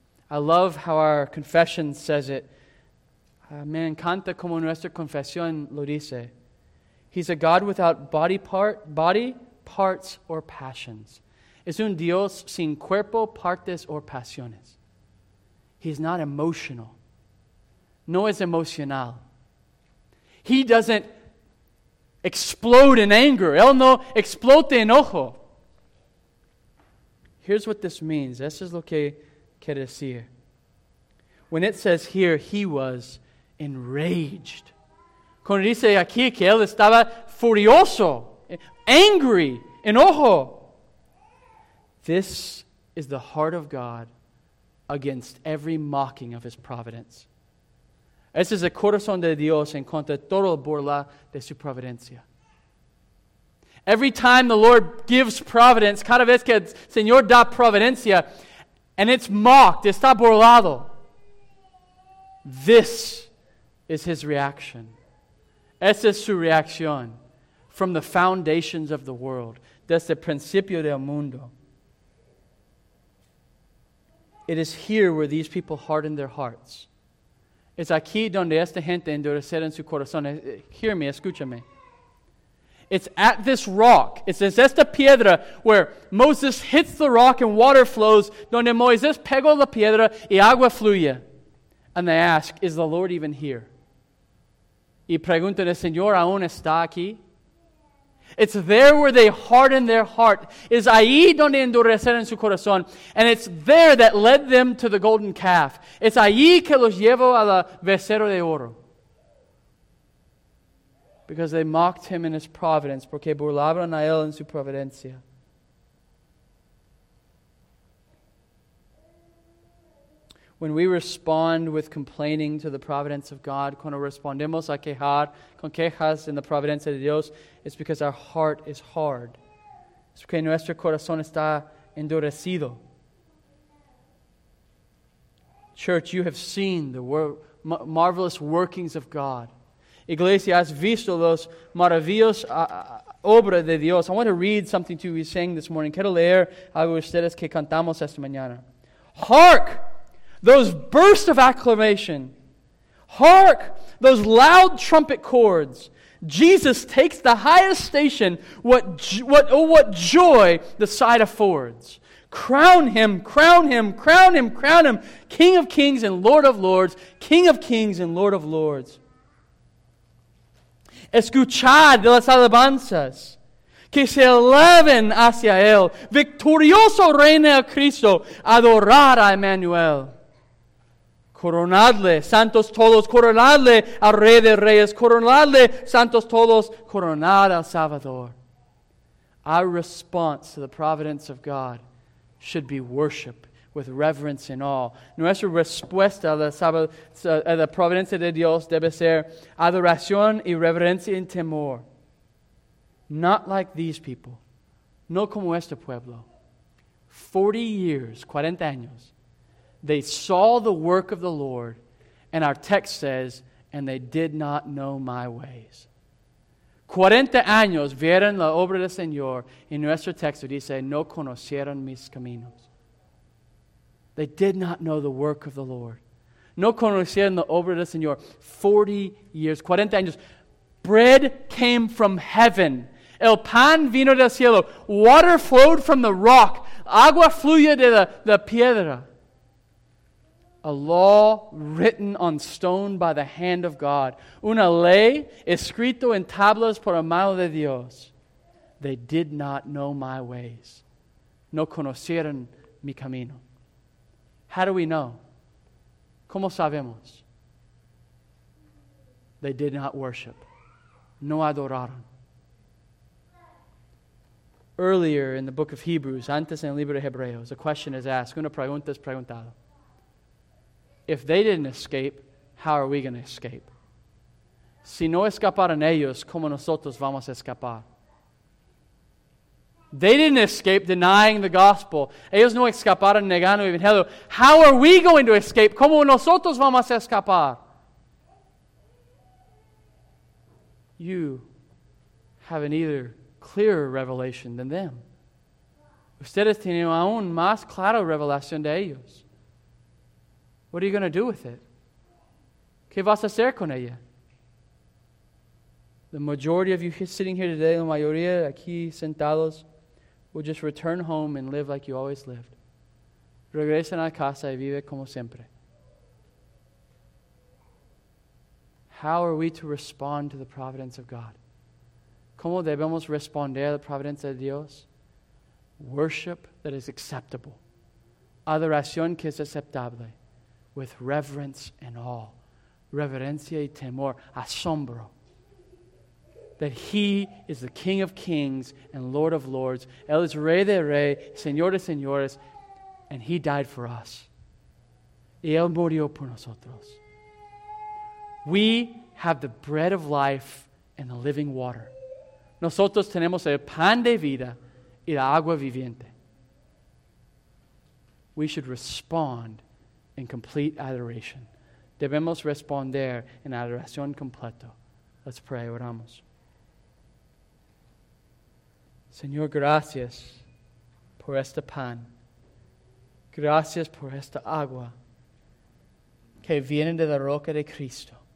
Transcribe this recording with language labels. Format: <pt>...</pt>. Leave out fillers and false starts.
<en>I love how our confession says it.</en> <es>Me encanta como nuestra confesión lo dice.</es> <en>He's a God without body parts, or passions.</en> <es>Es un Dios sin cuerpo, partes, or pasiones.</es> <en>He's not emotional.</en> <es>No es emocional.</es> <en>He doesn't explode in anger.</en> <es>Él no explode de enojo.</es> <en>Here's what this means.</en> <es>Eso es lo que quiere decir.</es> <en>When it says here, he was enraged.</en> <es>Cuando dice aquí que él estaba furioso,</es> <en>angry,</en> <es>enojo.</es> <en>This is the heart of God against every mocking of his providence.</en> <es>Este es el corazón de Dios en contra de toda burla de su providencia.</es> <en>Every time the Lord gives providence,</en> <es>cada vez que el Señor da providencia,</es> <en>and it's mocked,</en> <es>está burlado.</es> <en>This is his reaction.</en> <es>Esa es su reacción.</es> <en>From the foundations of the world.</en> <es>Desde el principio del mundo.</es> <en>It is here where these people harden their hearts.</en> <es>Es aquí donde esta gente endurecieron su corazón.</es> <en>Hear me,</en> <es>escúchame.</es> <en>It's at this rock. It's</en> <es>esta piedra</es> <en>where Moses hits the rock and water flows.</en> <es>Donde Moisés pegó la piedra y agua fluye.</es> <en>And they ask, is the Lord even here?</en> <es>Y preguntan, ¿el Señor aún está aquí?</es> <en>It's there where they harden their heart.</en> <es>Es ahí donde endurecieron su corazón.</es> <en>And it's there that led them to the golden calf.</en> <es>Es ahí que los llevó a la becerro de oro.</es> <en>Because they mocked him in his providence.</en> <es>Porque burlaban a él en su providencia.</es> <en>When we respond with complaining to the providence of God,</en> <es>cuando respondemos a quejar con quejas en la providencia de Dios,</es> <en>it's because our heart is hard.</en> <es>Es porque nuestro corazón está endurecido.</es> <en>Church, you have seen the marvelous workings of God.</en> <es>Iglesia, has visto los maravillos obra de Dios.</es> <en>I want to read something to you. We sang this morning.</en> <es>Quiero leer algo de ustedes que cantamos esta mañana.</es> <en>Hark! Those bursts of acclamation. Hark! Those loud trumpet chords. Jesus takes the highest station. What joy the sight affords. Crown Him, crown Him, crown Him, crown Him. King of kings and Lord of lords. King of kings and Lord of lords.</en> <es>Escuchad de las alabanzas que se eleven hacia Él. Victorioso reina a Cristo. Adorad a Emmanuel. Coronadle, santos todos. Coronadle al Rey de Reyes. Coronadle, santos todos. Coronad al Salvador.</es> <en>Our response to the providence of God should be worship with reverence and awe.</en> <es>Nuestra respuesta a la providencia de Dios debe ser adoración y reverencia y temor.</es> <en>Not like these people.</en> <es>No como este pueblo.</es> <en>40</en> <es>años,</es> <en>they saw the work of the Lord, and our text says, and they did not know my ways.</en> <es>40 años vieron la obra del Señor, y nuestro texto dice, no conocieron mis caminos.</es> <en>They did not know the work of the Lord.</en> <es>No conocieron la obra del Señor.</es> <en>40 years, 40</en> <es>años.</es> <en>Bread came from heaven.</en> <es>El pan vino del cielo.</es> <en>Water flowed from the rock.</en> <es>Agua fluye de la piedra.</es> <en>A law written on stone by the hand of God.</en> <es>Una ley escrito en tablas por la mano de Dios.</es> <en>They did not know my ways.</en> <es>No conocieron mi camino.</es> <en>How do we know?</en> <es>¿Cómo sabemos?</es> <en>They did not worship.</en> <es>No adoraron.</es> <en>Earlier in the book of Hebrews,</en> <es>antes en el libro de Hebreos,</es> <en>a question is asked.</en> <es>Una pregunta es preguntada.</es> <en>If they didn't escape, how are we going to escape?</en> <es>Si no escaparon ellos, ¿cómo nosotros vamos a escapar?</es> <en>They didn't escape denying the gospel.</en> <es>Ellos no escaparon negando el evangelio.</es> <en>How are we going to escape?</en> <es>¿Cómo nosotros vamos a escapar?</es> <en>You have an either clearer revelation than them.</en> <es>Ustedes tienen aún más clara revelación de ellos.</es> <en>What are you going to do with it?</en> <es>¿Qué vas a hacer con ella?</es> <en>The majority of you sitting here today,</en> <es>la mayoría aquí sentados,</es> <en>will just return home and live like you always lived.</en> <es>Regresen a casa y vive como siempre.</es> <en>How are we to respond to the providence of God?</en> <es>¿Cómo debemos responder a la providencia de Dios?</es> <en>Worship that is acceptable.</en> <es>Adoración que es aceptable.</es> <en>With reverence and awe.</en> <es>Reverencia y temor. Asombro.</es> <en>That He is the King of kings and Lord of lords.</en> <es>Él es Rey de Rey, Señor de Señores.</es> <en>And He died for us.</en> <es>Y Él murió por nosotros.</es> <en>We have the bread of life and the living water.</en> <es>Nosotros tenemos el pan de vida y la agua viviente.</es> <en>We should respond in complete adoration.</en> <es>Debemos responder en adoración completo.</es> <en>Let's pray,</en> <es>oramos. Señor, gracias por este pan. Gracias por esta agua que viene de la roca de Cristo.</es>